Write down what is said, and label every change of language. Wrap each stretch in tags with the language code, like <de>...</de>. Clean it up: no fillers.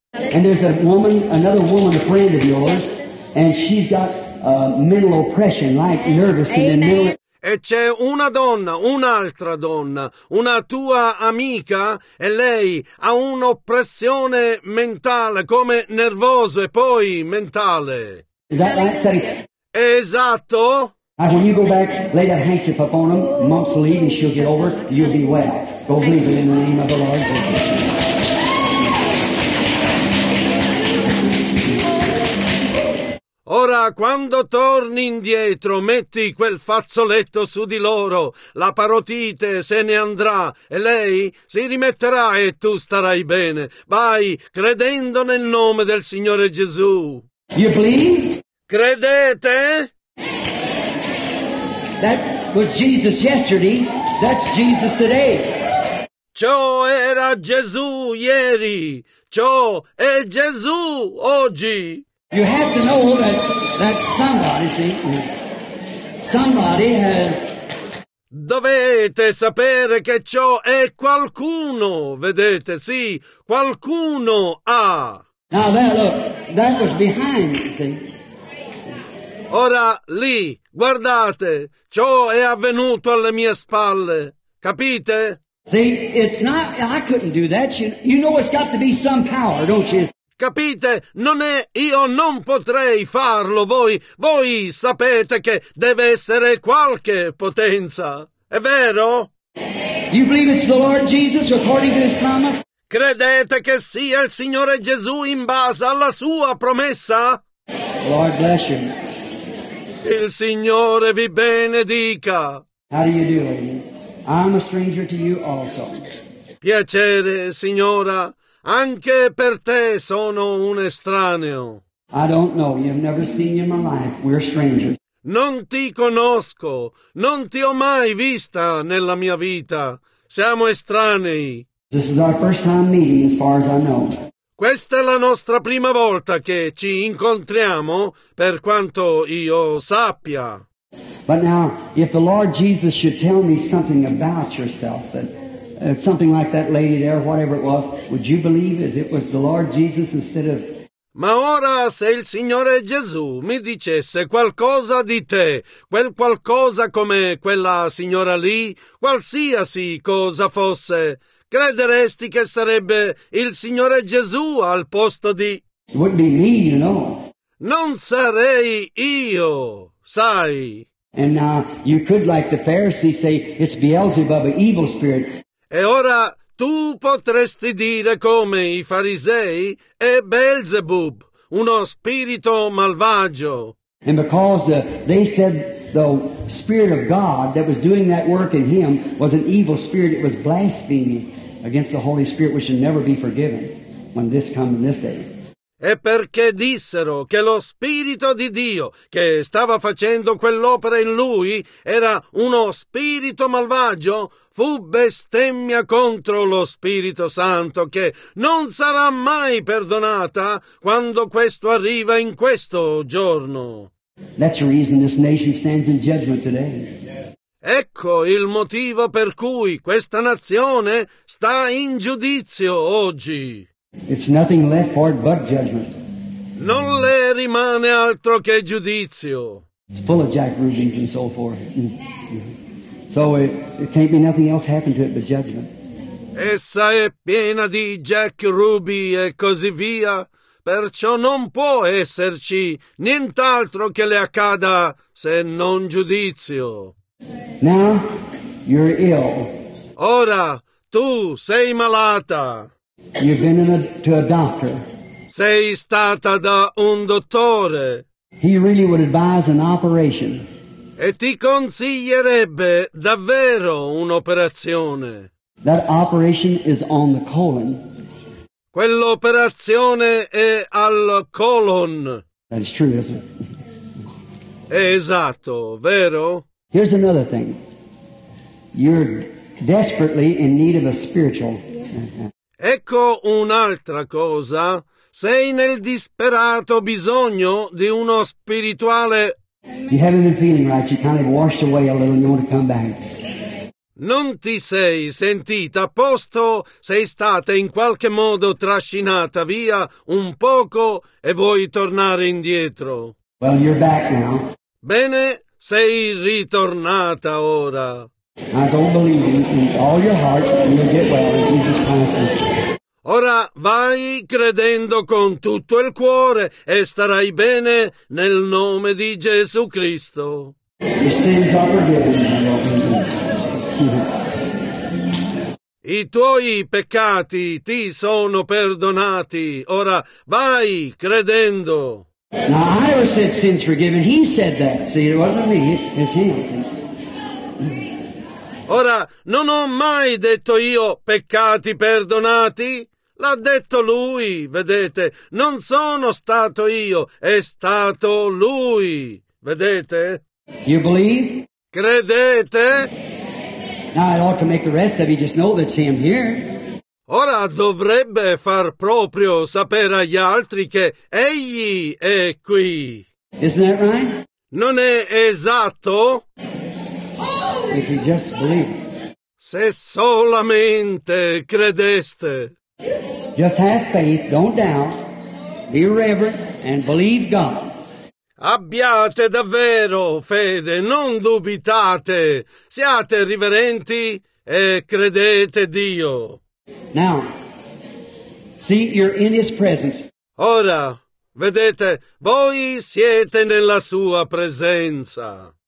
<en>And there's a woman, another woman, a friend of yours, yes. And she's got mental oppression, like yes. Nervous. Amen.</en> <it>E c'è una donna, un'altra donna, una tua amica, e lei ha un'oppressione mentale, come nervoso e poi mentale.</it> <en>Is that right, Sadie?</en> <it>Esatto.</it> <en>Now, when you go back, lay that handkerchief upon them, mumps will leave and she'll get over, you'll be well. Go believe it in the name of the Lord.</en> <it>Ora, quando torni indietro, metti quel fazzoletto su di loro, la parotite se ne andrà e lei si rimetterà e tu starai bene. Vai, credendo nel nome del Signore Gesù.</it> <en>You believe?</en> <it>Credete?</it> <en>That was Jesus yesterday, that's Jesus today.</en> <it>Ciò era Gesù ieri, ciò è Gesù oggi.</it> <en>You have to know that somebody, see, somebody has...</en> <it>Dovete sapere che ciò è qualcuno, vedete, sì, qualcuno ha.</it> <en>Now there, look, that was behind, see.</en> <it>Ora, lì, guardate, ciò è avvenuto alle mie spalle, capite?</it> <en>See, it's not, I couldn't do that, you know it's got to be some power, don't you?</en> <it>Capite? Non è io non potrei farlo, voi sapete che deve essere qualche potenza. È vero?</it> <en>You believe it's the Lord Jesus according to his promise?</en> <it>Credete che sia il Signore Gesù in base alla sua promessa?</it> <en>Lord bless you.</en> <it>Il Signore vi benedica.</it> <en>How do you do, lady? I'm a stranger to you also.</en> <it>Piacere, signora. Anche per te sono un estraneo.</it> <en>I don't know. You've never seen you in my life. We're strangers.</en> <it>Non ti conosco. Non ti ho mai vista nella mia vita. Siamo estranei.</it> <en>This is our first time meeting, as far as I know.</en> <it>Questa è la nostra prima volta che ci incontriamo, per quanto io sappia.</it> <en>But now, if the Lord Jesus should tell me something about yourself, that... something like that lady there, whatever it was, would you believe it? It was the Lord Jesus instead of...</en> <it>Ma ora, se il Signore Gesù mi dicesse qualcosa di te, quel qualcosa come quella signora lì, qualsiasi cosa fosse, crederesti che sarebbe il Signore Gesù al posto di...</it> <en>It wouldn't be me, you know.</en> <it>Non sarei io, sai.</it> <en>And now, you could, like the Pharisees say, it's Beelzebub, an evil spirit.</en> <it>E ora tu potresti dire come i farisei è Beelzebub, uno spirito malvagio.</it> <en>And because they said the spirit of God that was doing that work in him was an evil spirit, it was blaspheming against the Holy Spirit, which should never be forgiven when this comes in this day.</en> <it>E perché dissero che lo Spirito di Dio che stava facendo quell'opera in lui era uno spirito malvagio, fu bestemmia contro lo Spirito Santo che non sarà mai perdonata quando questo arriva in questo giorno.</it> <en>That's the reason this nation stands in judgment today.</en> <it>Ecco il motivo per cui questa nazione sta in giudizio oggi.</it> <en>It's nothing left for it but judgment.</en> <it>Non le rimane altro che giudizio.</it> <en>It's full of Jack Rubies and so forth. So it can't be nothing else happened to it but judgment.</en> <it>Essa è piena di Jack Ruby e così via, perciò non può esserci nient'altro che le accada se non giudizio.</it> <en>Now you're ill.</en> <it>Ora tu sei malata.</it> <en>You've been to a doctor.</en> <it>sei stata da un dottore.</it> <en>He really would advise an operation.</en> <it>E ti consiglierebbe davvero un'operazione.</it> <en>That operation is on the colon.</en> <it>Quell'operazione è al colon.</it> <en>That is true, isn't it?</en> <it>È esatto, vero?</it> <en>Here's another thing. You're desperately in need of a spiritual.</en> <it>Ecco un'altra cosa. Sei nel disperato bisogno di uno spirituale.</it> <en>You haven't been feeling right. You kind of washed away a little and you want to come back.</en> <it>Non ti sei sentita a posto, sei stata in qualche modo trascinata via un poco e vuoi tornare indietro.</it> <en>Well, you're back now.</en> <it>Bene, sei ritornata ora.</it> <en>I don't believe in all your heart you'll get well in Jesus Christ's name.</en> <it>Ora vai credendo con tutto il cuore e starai bene nel nome di Gesù Cristo.</it> <en>Your sins are forgiven.</en> <it>I tuoi peccati ti sono perdonati. Ora vai credendo.</it> <en>Now I ever said sins forgiven. He said that. See, it wasn't me. It's him.</en> <it>Ora non ho mai detto io peccati perdonati. L'ha detto lui, vedete? Non sono stato io, è stato lui, vedete?</it> <en>You believe?</en> <it>Credete?</it> <en>Now I ought to make the rest of you just know that's him here.</en> <it>Ora dovrebbe far proprio sapere agli altri che egli è qui.</it> <en>Isn't that right?</en> <it>Non è esatto?</it> <en>If you just believe.</en> <it>Se solamente credeste.</it> <en>Just have faith, don't doubt, be reverent, and believe God.</en> <it>Abbiate davvero fede, non dubitate, siate riverenti e credete Dio.</it> <en>Now, see, you're in His presence.</en> <it>Ora, vedete, voi siete nella Sua presenza.</it>